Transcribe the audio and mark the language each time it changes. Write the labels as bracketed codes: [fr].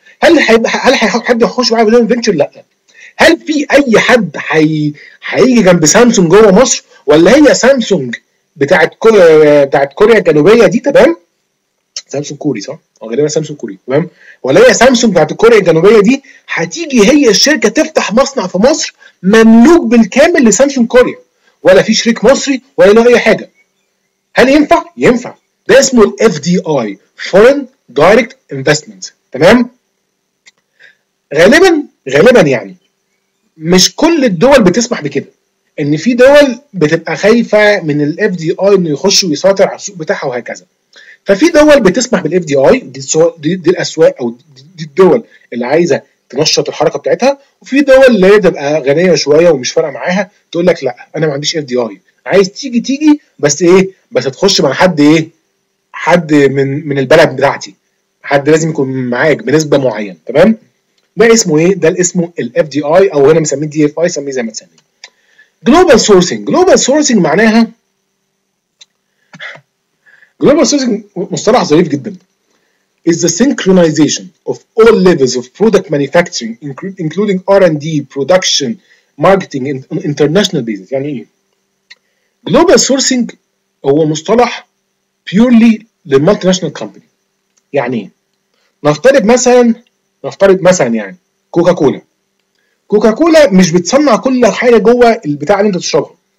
[ar] هل حد يخش معايا بدون فينشر؟ لا. هل في اي حد هيجي جنب سامسونج جوه مصر، ولا هي سامسونج بتاعت كوريا الجنوبيه دي؟ تمام، سامسونج كوري صح؟ غالبا سامسونج كوري. تمام، ولا هي سامسونج بتاعت كوريا الجنوبيه دي هتيجي هي الشركه تفتح مصنع في مصر مملوك بالكامل لسامسونج كوريا، ولا في شريك مصري ولا له اي حاجه؟ هل ينفع؟ ينفع. ده اسمه ال FDI، Foreign Direct Investment. تمام، غالبا يعني مش كل الدول بتسمح بكده، ان في دول بتبقى خايفه من ال FDI انه يخش ويسيطر على السوق بتاعها وهكذا. ففي دول بتسمح بال FDI، دي الاسواق او دي الدول اللي عايزه تنشط الحركه بتاعتها، وفي دول اللي تبقى غنيه شويه ومش فارقه معاها تقول لك لا انا ما عنديش FDI، عايز تيجي تيجي بس ايه، بس تخش مع حد ايه، حد من البلد بتاعتي، حد لازم يكون معاك بنسبه معينه. تمام، ده اسمه ايه؟ ده اسمه ال FDI، او هنا مسميه دي اف اي، سميه زي ما تسميه. جلوبال سورسنج، جلوبال سورسنج معناها، جلوبال سورسنج مصطلح ظريف جدا، [en] is the synchronization of all levels of product manufacturing including R&D, production, marketing and international business. [ar] يعني ايه؟ جلوبال سورسنج هو مصطلح purely للمالتي ناشونال كومباني. يعني نفترض مثلا يعني كوكاكولا مش بتصنع كل حاجه جوه البتاع اللي انت تشربها.